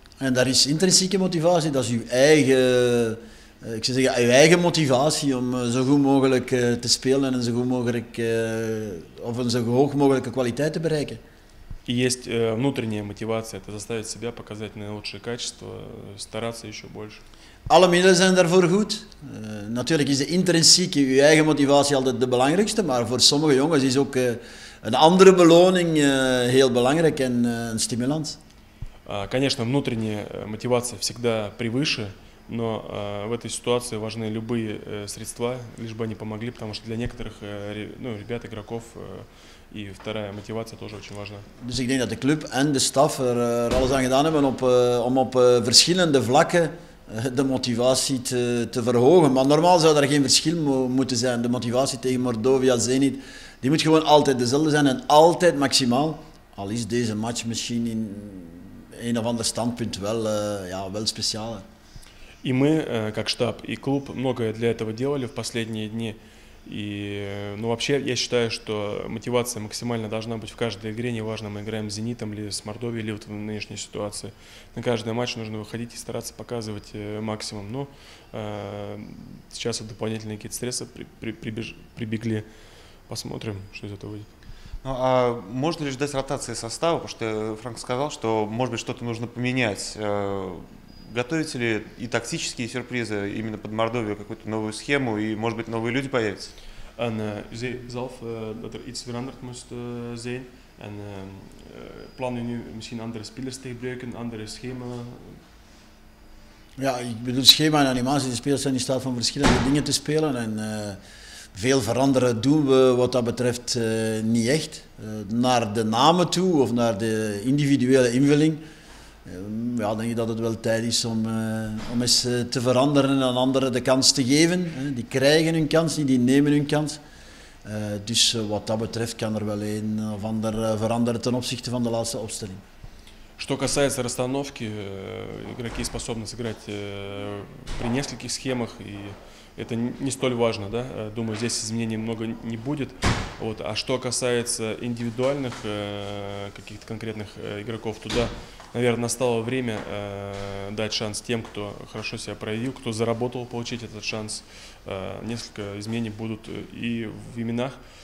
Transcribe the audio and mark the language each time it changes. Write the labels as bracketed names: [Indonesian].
[Russian] И там есть интринсическая мотивация, это ваша собственная мотивация, чтобы как можно лучше играть и как можно лучше, или как можно выше качества достичь. И есть внутренняя мотивация, это заставить себя показать наилучшие качества, стараться еще больше. [Dutch] Alle middelen zijn daarvoor goed. Natuurlijk is de intrinsieke, je eigen motivatie altijd de belangrijkste, maar voor sommige jongens is ook een andere beloning heel belangrijk en een stimulans. [Russian] Конечно, внутренняя мотивация всегда превыше, но в этой ситуации важны любые средства, лишь бы они помогли, потому что для некоторых ребят, игроков, и вторая мотивация тоже очень важна. [Dutch] Dus ik denk dat de club en de staff er alles aan gedaan hebben om op verschillende vlakken de motivatie te verhogen. Maar normaal zou er geen verschil moeten zijn. De motivatie tegen Mordovia, Zenit, die moet gewoon altijd dezelfde zijn en altijd maximaal. Al is deze match misschien in een of ander standpunt wel, wel speciaal. En [Russian] we, как штаб и клуб, многое для этого делали в последние дни. И, ну, вообще, я считаю, что мотивация максимально должна быть в каждой игре, неважно, мы играем с «Зенитом» или с «Мордовией», или вот в нынешней ситуации. На каждый матч нужно выходить и стараться показывать максимум. Но сейчас вот дополнительные какие-то средства прибегли. Посмотрим, что из этого выйдет. Ну, а можно ли ждать ротации состава? Потому что Франк сказал, что, может быть, что-то нужно поменять. Готовите ли и тактические сюрпризы именно под Мордовию, какую-то новую схему и, может быть, новые люди появятся? [English] And they [Dutch] zelf dat er iets veranderd moest zijn en plannen nu misschien andere spelers te gebruiken, andere schema. Ja, ik bedoel schema en animatie. De spelers zijn in staat van verschillende dingen te spelen en veel veranderen doen we wat dat betreft niet echt naar de namen toe of naar de individuele invulling. Ja, denk ik dat het wel tijd is om eens te veranderen en aan anderen de kans te geven. Die krijgen hun kans, niet die nemen hun kans. Dus wat dat betreft kan er wel een of ander veranderen ten opzichte van de laatste opstelling. [Russian] Что касается расстановки, игроки способны сыграть при нескольких схемах, и это не столь важно, да? Думаю, здесь изменений много не будет. Вот. А что касается индивидуальных каких-то конкретных игроков, туда, наверное, настало время дать шанс тем, кто хорошо себя проявил, кто заработал получить этот шанс. Несколько изменений будут и в именах.